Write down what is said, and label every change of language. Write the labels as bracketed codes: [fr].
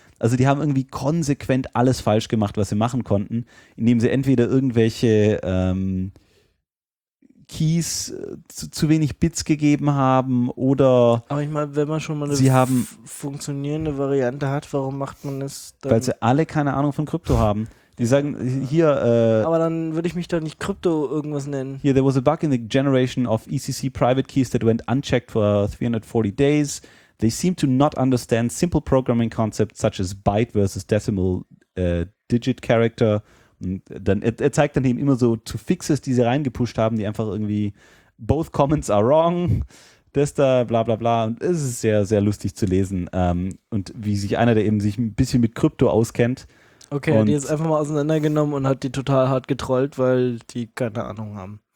[de] Also die haben irgendwie konsequent alles falsch gemacht, was sie machen konnten, indem sie entweder irgendwelche Keys zu wenig Bits gegeben haben oder. Aber ich meine, wenn man schon mal eine funktionierende Variante hat, warum macht man es dann? Weil sie alle keine Ahnung von Krypto haben. Die sagen hier. Aber dann würde ich mich doch nicht Krypto irgendwas nennen. [en] Here, there was a bug in the generation of ECC private keys that went unchecked for 340 days. They seem to not understand simple programming concepts such as byte versus decimal digit character. [de] Und dann, er zeigt dann eben immer so zu Fixes, die sie reingepusht haben, die einfach irgendwie [en] both comments are wrong, [de] das da, bla bla bla. Und es ist sehr, sehr lustig zu lesen. Und wie sich einer, der eben sich ein bisschen mit Krypto auskennt. Okay, die ist einfach mal auseinandergenommen und hat die total hart getrollt, weil die keine Ahnung haben.